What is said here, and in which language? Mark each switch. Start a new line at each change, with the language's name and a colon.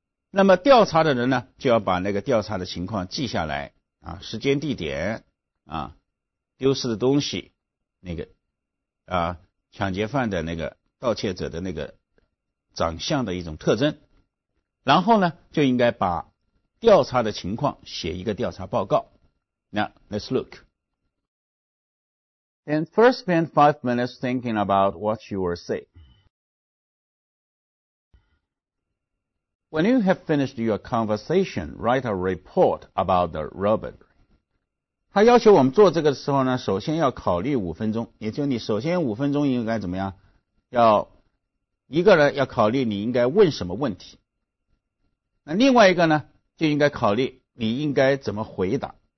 Chinese: 那么调查的人呢就要把那个调查的情况记下来啊，时间地点啊，丢失的东西，那个啊，抢劫犯的那个盗窃者的那个长相的一种特征，然后呢就应该把调查的情况写一个调查报告。
English: Now let's look. And first spend 5 minutes thinking about what you will say. When you have finished your conversation, write a report about the robbery.
Chinese: 他要求我们做这个的时候呢，首先要考虑五分钟，也就是你首先五分钟应该怎么样？要一个人要考虑你应该问什么问题。那另外一个呢，就应该考虑你应该怎么回答。